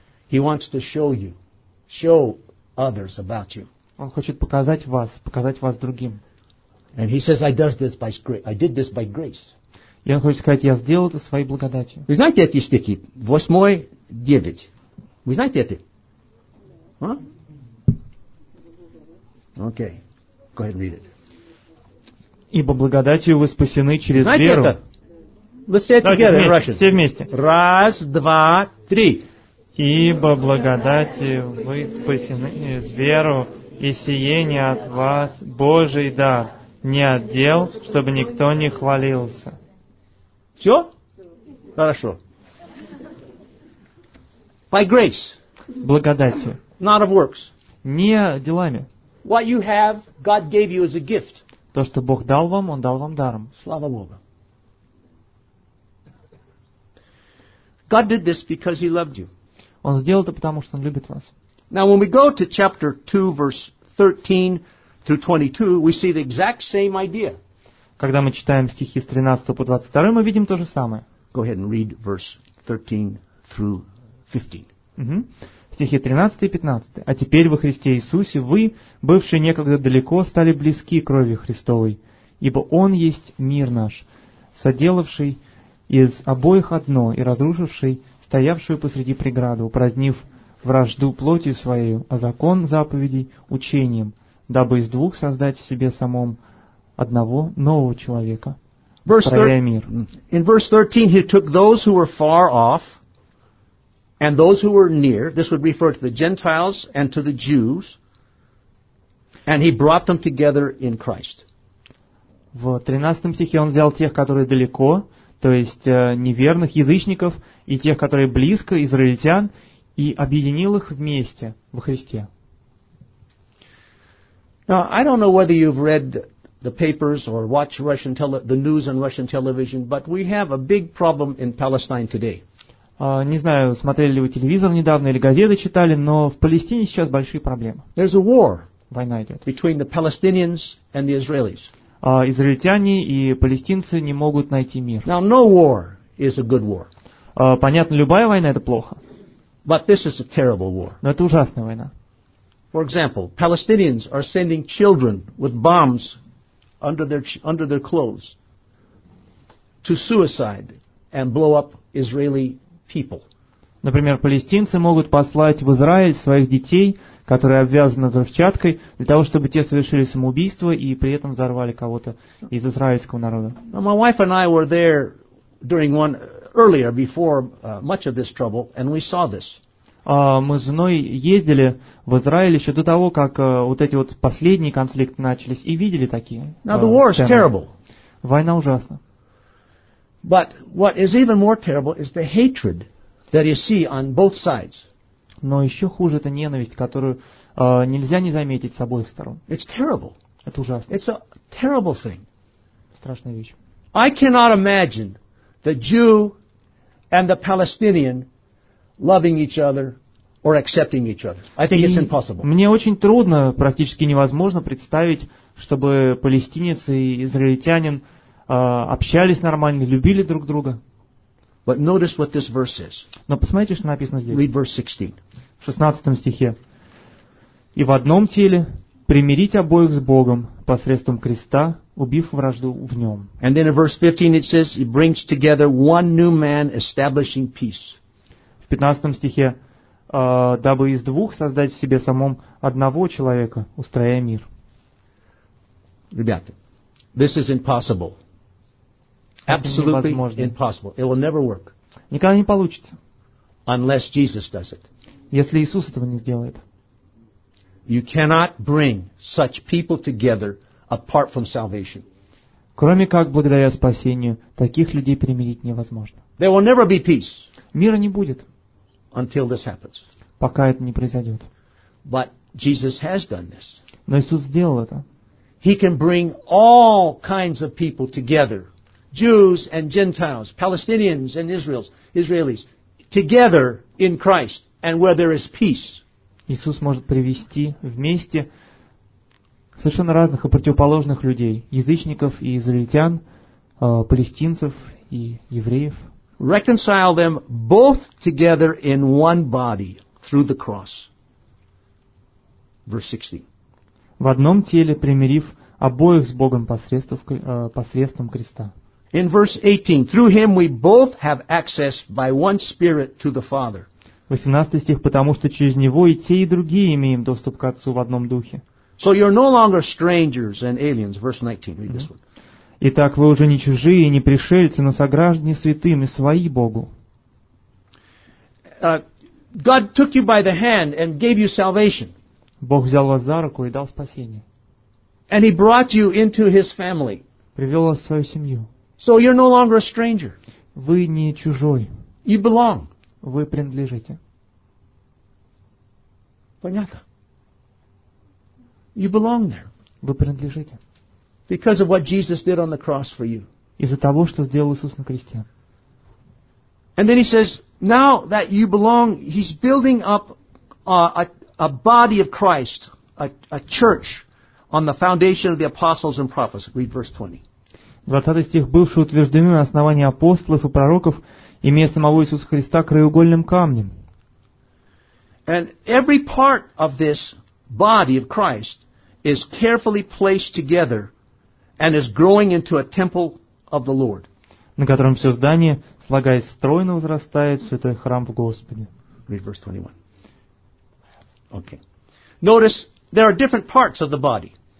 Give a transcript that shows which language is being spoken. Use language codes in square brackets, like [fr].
[en] He wants to show you, show others about you. [ru] Он хочет показать вас другим. [en] And he says, I did this by grace. [ru] И он хочет сказать, я сделал это своей благодатью. Вы знаете эти стихи? 8:9. Вы знаете это? А? [en] Okay. Go ahead and read it. [ru] Ибо благодатью вы спасены через Знаете веру. Это? [en] Let's say it together in Russian. [ru] Все вместе. Раз, два, три. Ибо благодатью вы спасены через веру, и сие не от вас Божий дар, не от дел, чтобы никто не хвалился. Все? Хорошо. [en] By grace. [ru] Благодатью. [en] Not of works. [ru] Не делами. [en] What you have, God gave you as a gift. [ru] То, что Бог дал вам, Он дал вам даром. Слава Богу. [en] God did this because He loved you. [ru] Он сделал это потому, что Он любит вас. [en] Now, when we go to chapter 2, verse 13 through 22, we see the exact same idea. [ru] Когда мы читаем стихи с 13 по 22, мы видим то же самое. [en] Go ahead and read verse 13 through 15. [ru] Стихи 13 и 15. «А теперь во Христе Иисусе вы, бывшие некогда далеко, стали близки крови Христовой, ибо Он есть мир наш, соделавший из обоих одно и разрушивший стоявшую посреди преграду, упразднив вражду плотью своей, а закон заповедей учением, дабы из двух создать в себе самом одного нового человека, творя мир. [en] In verse 13 he took those who were far off and those who were near, this would refer to the Gentiles and to the Jews, and he brought them together in Christ. [ru] В 13 стихе он взял тех, которые далеко, то есть неверных, язычников, и тех, которые близко, израильтян, и объединил их вместе во Христе. [en] Now, I don't know whether you've read the papers or watched Russian the news on Russian television, but we have a big problem in Palestine today. [ru] Не знаю, смотрели ли вы телевизор недавно или газеты читали, но в Палестине сейчас большие проблемы. [en] There's a war. [ru] Война идет. [en] Between the Palestinians and the Israelis. [ru] Израильтяне и палестинцы не могут найти мир. [en] Now, no war is a good war. [ru] Понятно, любая война это плохо. [en] But this is a terrible war. [ru] Но это ужасная война. [en] For example, Palestinians are sending children with bombs under their clothes to suicide and blow up Israeli people. [ru] Например, палестинцы могут послать в Израиль своих детей, которые обвязаны взрывчаткой, для того, чтобы те совершили самоубийство и при этом взорвали кого-то из израильского народа. [en] Now, my wife and I were there during one earlier, before much of this trouble, and we saw this. [ru] Мы с женой ездили в Израиль еще до того, как вот эти вот последние конфликты начались, и видели такие. [en] Now, the war is terrible. [ru] Война ужасна. [en] But what is even more terrible is the hatred that you see on both sides. [ru] Но еще хуже это ненависть, которую нельзя не заметить с обоих сторон. [en] It's terrible. [ru] Это ужасно. [en] It's a terrible thing. [ru] Страшная вещь. [en] I cannot imagine the Jew and the Palestinian loving each other or accepting each other. I think it's impossible. [ru] Мне очень трудно, практически невозможно представить, чтобы палестинец и израильтянин общались нормально, любили друг друга. [en] But notice what this verse says. [ru] Но посмотрите, что написано здесь. [en] Read verse 16. [ru] В 16 стихе. И в одном теле примирить обоих с Богом посредством креста, убив вражду в нем. [en] And then in verse 15 it says, he brings together one new man, establishing peace. [ru] В 15 стихе. Дабы из двух создать в себе самом одного человека, устрояя мир. Ребята, [en] this is impossible. Absolutely impossible. It will never work. [ru] Никогда не получится. [en] Unless Jesus does it. [ru] Если Иисус этого не сделает. [en] You cannot bring such people together apart from salvation. [ru] Кроме как благодаря спасению, таких людей примирить невозможно. [en] There will never be peace. [ru] Мира не будет. [en] Until this happens. [ru] Пока это не произойдет. [en] But Jesus has done this. [ru] Но Иисус сделал это. [en] He can bring all kinds of people together. Jews and Gentiles, Palestinians and Israelis, together in Christ, and where there is peace. [ru] Иисус может привести вместе совершенно разных и противоположных людей, язычников и израильтян, палестинцев и евреев. [en] Reconcile them both together in one body through the cross. Verse 16. [ru] В одном теле примирив обоих с Богом посредством креста. [en] In verse 18, through him we both have access by one spirit to the Father. [ru] 18 стих, потому что через него и те, и другие имеем доступ к Отцу в одном духе. [en] So you're no longer strangers and aliens. Verse 19, read this one. [ru] Итак, вы уже не чужие и не пришельцы, но сограждане святыми, свои Богу. [en] God took you by the hand and gave you salvation. [ru] Бог взял вас за руку и дал спасение. [en] And he brought you into his family. [ru] Привел вас в свою семью. [en] So you're no longer a stranger. [ru] Вы не чужой. [en] You belong. [ru] Вы принадлежите. Понятно? [en] You belong there. [ru] Вы принадлежите. [en] Because of what Jesus did on the cross for you. [ru] Из-за того, что сделал Иисус на кресте. [en] And then he says, now that you belong, he's building up a body of Christ, a church on the foundation of the apostles and prophets. Read verse 20. [ru] 20 стих, бывшие утверждены на основании апостолов и пророков, имея самого Иисуса Христа краеугольным камнем. [en] And every part of this body of Christ is carefully placed together and is growing into a temple of the Lord. [ru] На котором все здание, слагаясь стройно, возрастает в святой храм в Господе. [en] Read verse 21. Okay. Notice there are different parts of the body.